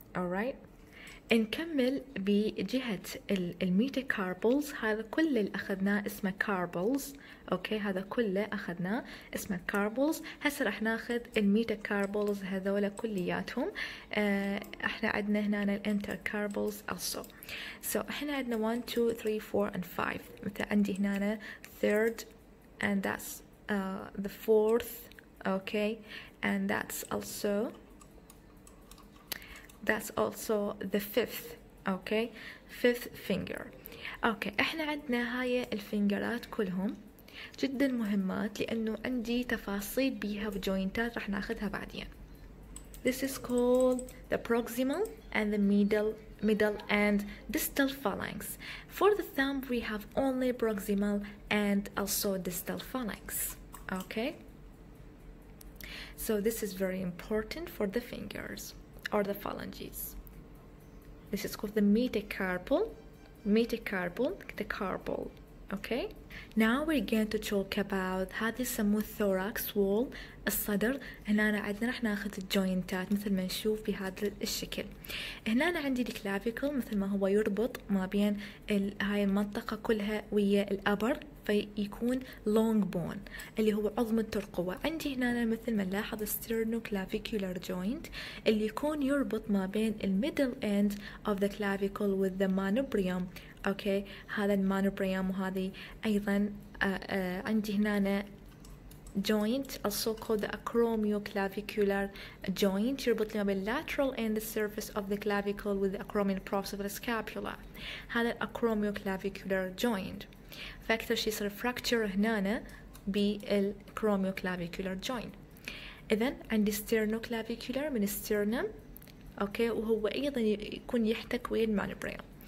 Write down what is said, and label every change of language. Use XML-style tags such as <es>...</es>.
<ar>Alright نكمل بجهة الميتاكاربلز. هذا كله اللي أخذناه اسمه كاربلز. أوكي هذا كله أخذناه اسمه كاربلز. هسه رح ناخذ الميتاكاربلز هذولا كلياتهم. احنا عندنا هنا الانتركاربلز also.</ar> <en>So</en> <ar>احنا عندنا</ar> <en>1 2 3 4 and 5</en> <ar>مثل عندي هنا</ar> <en>third and that's the fourth. Okay, and that's also the fifth. Okay, fifth finger.</en> <ar>Okay, احنا عندنا هاي الفينجرات كلهم جدا مهمات لانه عندي تفاصيل بيها وجوينتات رح ناخدها بعدين.</ar> <en>This is called the proximal and the middle and distal phalanx. For the thumb, we have only proximal and also distal phalanx. Okay. So this is very important for the fingers or the phalanges. This is called the metacarpal, the carpal. Okay. Now we're going to talk about how this is called thorax wall, الصدر.</en> <ar>هنا أنا عدنا رح نأخذ الجوينتات مثل ما نشوف بهذا الشكل. هنا أنا عندي الكلافيكل مثل ما هو يربط ما بين هاي المنطقة كلها ويا الأبر. فيكون long bone اللي هو عظم الترقوة. عندي هنا مثل ما نلاحظ sternoclavicular joint اللي يكون يربط ما بين</ar> <en>the middle end of the clavicle with the manubrium. Okay,</en> <ar>هذا المانوبريوم وهذه أيضا عندي هنا</ar> <en>joint also called the acromioclavicular joint</en> <ar>يربط ما بين</ar> <en>lateral end the surface of the clavicle with the acromion props of the scapula.</en> <ar>هذا acromioclavicular joint فأكثر شيء صار fracture هنا بالcromioclavicular joint. إذن عندي sternoclavicular من sternum أوكي وهو أيضا يكون يحتك ويا المانوبريوم.</ar>